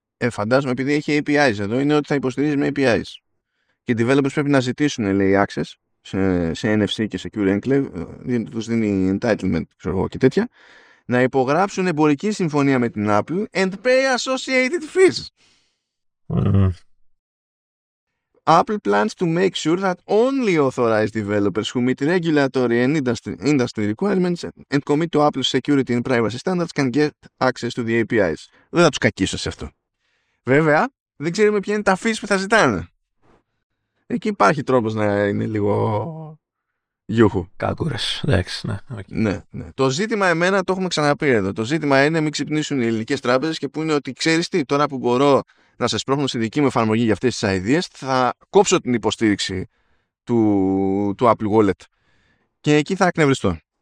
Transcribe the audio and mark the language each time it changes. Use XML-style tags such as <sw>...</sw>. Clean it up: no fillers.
<el>Φαντάζομαι, επειδή έχει APIs εδώ, είναι ότι θα υποστηρίζει με APIs. Και οι developers πρέπει να ζητήσουν, λέει, access σε NFC και Secure Enclave, διότι τους δίνει entitlement, ξέρω εγώ, και τέτοια, να υπογράψουν εμπορική συμφωνία με την Apple</el> <en>and pay associated fees. Apple plans to make sure that only authorized developers who meet regulatory and industry requirements and commit to Apple's security and privacy standards can get access to the APIs.</en> <el>Δεν θα τους κακίσω σε αυτό. Βέβαια, δεν ξέρουμε ποια είναι τα fees που θα ζητάνε. Εκεί υπάρχει τρόπος να είναι λίγο γιούχου. Κάκουρες, εντάξει, ναι. Okay. Ναι, ναι. Το ζήτημα εμένα το έχουμε ξαναπεί εδώ. Το ζήτημα είναι μην ξυπνήσουν οι ελληνικές τράπεζες και που είναι ότι ξέρεις τι, τώρα που μπορώ να σας πρόχνω στη δική μου εφαρμογή για αυτές τις ideas, θα κόψω την υποστήριξη του Apple Wallet. Και εκεί θα εκνευριστώ.</el>